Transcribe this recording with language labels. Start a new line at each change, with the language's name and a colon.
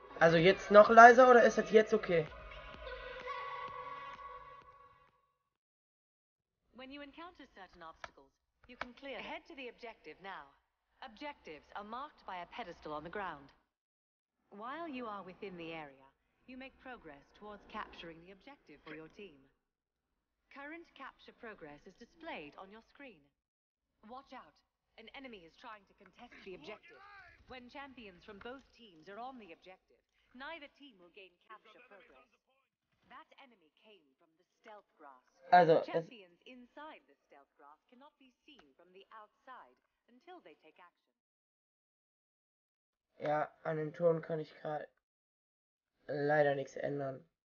German: Also jetzt noch leiser oder ist es jetzt okay?
English: When you encounter certain obstacles, you can clear. Head to the objective now. Objectives are marked by a pedestal on the ground. While you are within the area, you make progress towards capturing the objective for your team. Current capture progress is displayed on your screen. Watch out! An enemy is trying to contest the objective. When champions from both teams are on the objective, neither team will gain capture progress. That enemy came from the stealth grass. Also, champions inside the stealth grass cannot be seen from the outside until they take action.
German: Ja, an den Ton kann ich gerade leider nichts ändern.